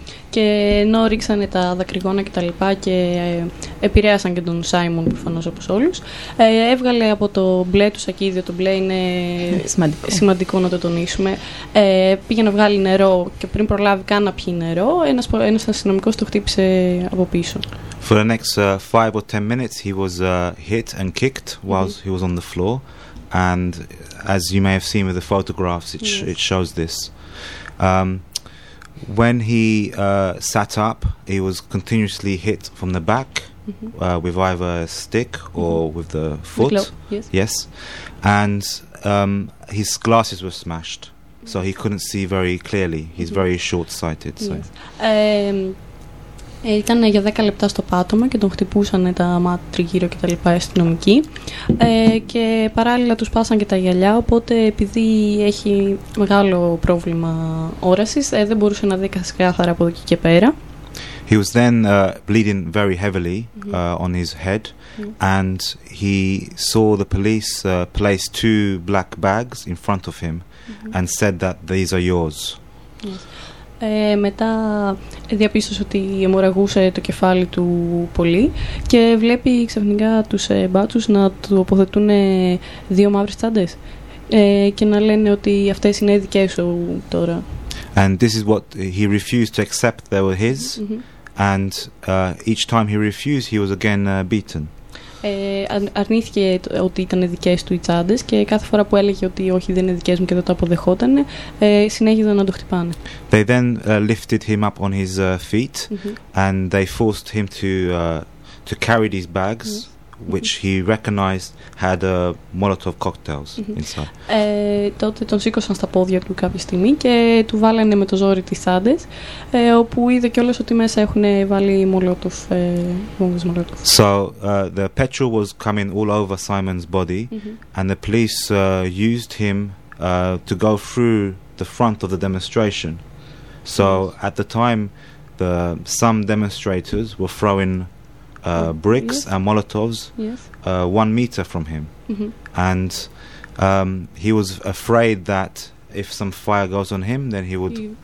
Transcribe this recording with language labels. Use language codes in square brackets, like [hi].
[el] Και ενώ ρίξανε τα δακρυγόνα και τα λοιπά και επηρέασαν και τον Σάιμον προφανώς όπως όλους, έβγαλε από το μπλε του σακίδιο, το μπλε είναι σημαντικό να το τονίσουμε, πήγε να βγάλει νερό και πριν προλάβει καν να πιει νερό, ένας αστυνομικός το χτύπησε από πίσω. [en] For the next 5 or 10 minutes, he was hit and kicked whilst he was on the floor. And as you may have seen with the photographs, it shows this. When he sat up, he was continuously hit from the back with either a stick or with the foot. The globe, yes. Yes. And his glasses were smashed, so he couldn't see very clearly. He's very short-sighted. So. [el] Ήταν για 10 λεπτά στο πάτωμα και τον χτυπούσαν τα μάτια τριγύρω και τα λοιπά αστυνομικοί. Και παράλληλα τους πάσαν και τα γυαλιά, οπότε επειδή έχει μεγάλο πρόβλημα όρασης, δεν μπορούσε να δει καθαρά από εκεί και πέρα. [en] He was then bleeding very heavily on his head and he saw the police place 2 black bags in front of him and said that these are yours. [el] Μετά διαπίστωσε ότι αιμορραγούσε το κεφάλι του πολύ και βλέπει ξαφνικά τους μπάτσους να τοποθετούν 2 μαύρες τσάντες και να λένε ότι αυτές είναι δικές σου τώρα. [en] And this is what he refused to accept they were his and each time he refused he was again beaten. [el] Αρνήθηκε ότι ήταν δικές του οι τσάντες και κάθε φορά που έλεγε ότι όχι δεν είναι δικές μου και δεν το αποδεχόταν, συνέχιζαν να το χτυπάνε. [en] They then lifted him up on his feet and they forced him to to carry these bags which he recognized had Molotov cocktails inside. [el] Τότε τον σήκωσαν στα πόδια του κάποια στιγμή και του βάλανε με το ζόρι τις τσάντες, όπου είδε κιόλας ότι μέσα έχουν βάλει Molotov, βόμβες Molotov. [en] So the petrol was coming all over Simon's body and the police used him to go through the front of the demonstration. So at the time some demonstrators were throwing bricks and Molotovs 1 meter from him and he was afraid that if some fire goes on him then he would